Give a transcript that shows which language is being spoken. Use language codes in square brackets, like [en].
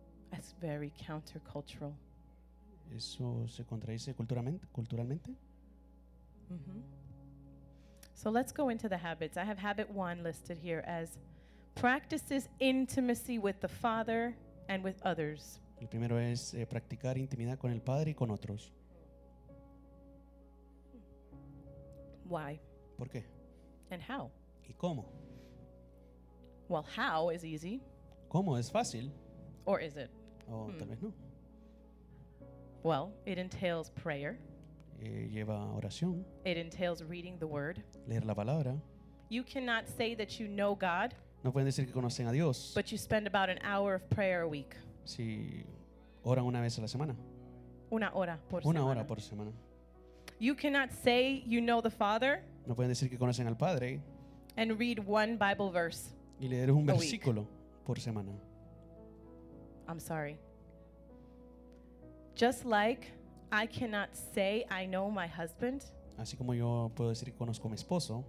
[en] That's very countercultural. [es] Eso se contradice culturalmente. [en] Mm-hmm. So let's go into the habits. I have habit one listed here as practices intimacy with the father and with others. [es] El primero es practicar intimidad con el padre y con otros. [en] Why? [es] ¿Por qué? [en] And how? [es] ¿Y cómo? [en] Well, how is easy. [es] ¿Cómo es fácil? [en] Or is it? [es] Tal vez no. [en] Well, it entails prayer. [es] Lleva oración. [en] It entails reading the word. [es] Leer la palabra. [en] You cannot say that you know God. [es] No pueden decir que conocen a Dios. [en] But you spend about an hour of prayer a week. [es] Si oran una vez a la semana. Una hora por semana. [en] You cannot say you know the Father. [es] No pueden decir que conocen al Padre. [en] And read one Bible verse. [es] Y leer un versículo por semana. [en] I'm sorry. Just like I cannot say I know my husband. [es] Así como yo puedo decir que conozco a mi esposo.